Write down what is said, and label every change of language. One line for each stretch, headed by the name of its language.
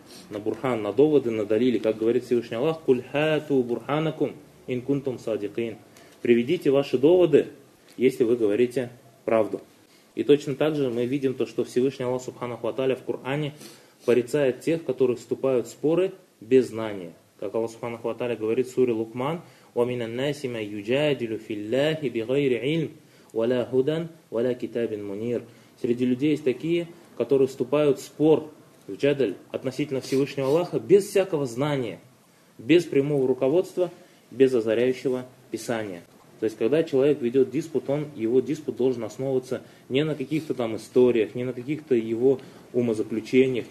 Russian: На бурхан, на доводы, на далили. Как говорит Всевышний Аллах,
Arabic: куль хату бурханакум ин кунтум садикин.
Russian: Приведите ваши доводы, если вы говорите правду. И точно так же мы видим то, что Всевышний Аллах Субханаху Аталя в Коране порицает тех, которые вступают в споры без знания. Как Аллах Субханаху Аталя говорит в суре Лукман,
Arabic: وَمِنَ النَّاسِ مَا يُجَادِلُ فِي اللَّهِ بِغَيْرِ عِلْمٍ وَلَا هُدًى وَلَا كِتَابٍ مُنِيرٍ.
Russian: Среди людей есть такие, которые вступают в спор в джадаль относительно Всевышнего Аллаха без всякого знания, без прямого руководства, без озаряющего писания. То есть, когда человек ведет диспут, он, его диспут должен основываться не на каких-то там историях, не на каких-то его умозаключениях.